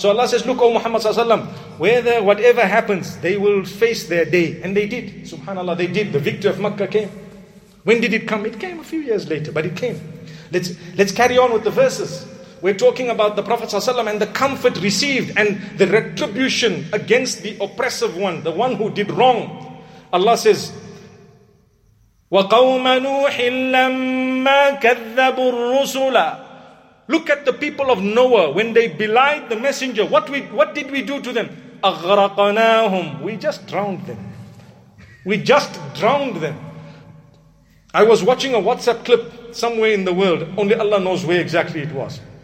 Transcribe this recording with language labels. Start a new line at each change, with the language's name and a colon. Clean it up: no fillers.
English: So Allah says, look, O Muhammad sallallahu alaihi wasallam, whether whatever happens, they will face their day. And they did. Subhanallah, they did. The victory of Makkah came. When did it come? It came a few years later, but it came. Let's carry on with the verses. We're talking about the Prophet ﷺ and the comfort received and the retribution against the oppressive one, the one who did wrong. Allah says,
Arabic: وَقَوْمَ نُوحٍ لَمَّا كَذَّبُوا الرُّسُلَ.
English: Look at the people of Noah when they belied the messenger. What did we do to them?
Arabic: أَغْرَقَنَاهُمْ.
English: We just drowned them. We just drowned them. I was watching a WhatsApp clip somewhere in the world. Only Allah knows where exactly it was.